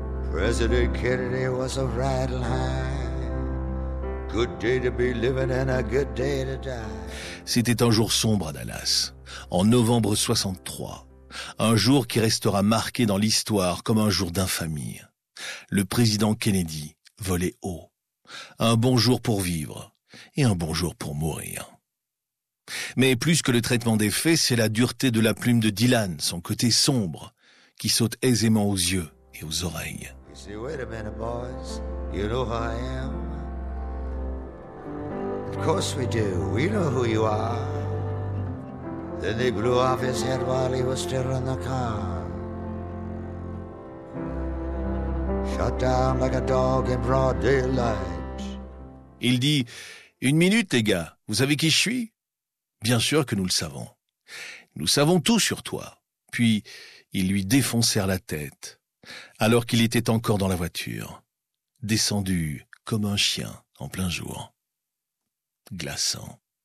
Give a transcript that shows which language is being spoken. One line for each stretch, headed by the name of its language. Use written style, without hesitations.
English: President Kennedy was a right line. Good day to be living and a good day to die.
French: » C'était un jour sombre à Dallas, en novembre 63. Un jour qui restera marqué dans l'histoire comme un jour d'infamie. Le président Kennedy volait haut. Un bon jour pour vivre et un bon jour pour mourir. Mais plus que le traitement des faits, c'est la dureté de la plume de Dylan, son côté sombre, qui saute aisément aux yeux et aux oreilles.
English: You say, wait a minute, boys, you know who I am. Of course we do, we know who you are. Then they blew off his head while he was still in the car. Shot down like a dog in broad daylight.
French: Il dit, une minute, les gars, vous savez qui je suis? Bien sûr que nous le savons. Nous savons tout sur toi. Puis, ils lui défoncèrent la tête, alors qu'il était encore dans la voiture, descendu comme un chien en plein jour. Glaçant.